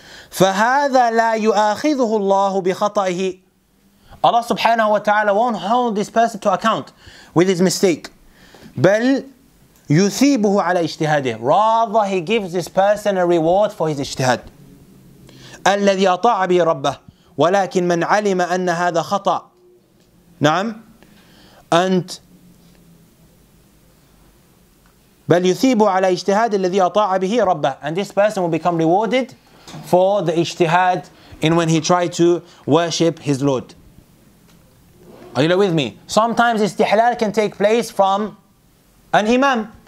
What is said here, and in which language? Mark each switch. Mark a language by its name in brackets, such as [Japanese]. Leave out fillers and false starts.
[Arabic] فَهَذَا لَا يُؤَاخِذُهُ اللَّهُ بِخَطَئِهِ [English] Allah subhanahu wa ta'ala won't hold this person to account with his mistake. [Arabic] بَلْ يُثِيبُهُ عَلَى إِجْتِهَادِهِ [English] Rather, he gives this person a reward for his ijtihad. [Arabic] الَّذِي أَطَاعَ بِهِ رَبَّهِ وَلَكِنْ مَنْ عَلِمَ أَنَّ هَذَا خَطَأ نعم. [English] And [Arabic] بَلْ يُثِيبُ عَلَى إِجْتِهَادِ الَّذِي أَطَاعَ بِهِ رَبَّهِ [English] And this person will become rewarded for the ijtihad in when he tried to worship his Lord. Are you with me? Sometimes istihlal can take place from an imam.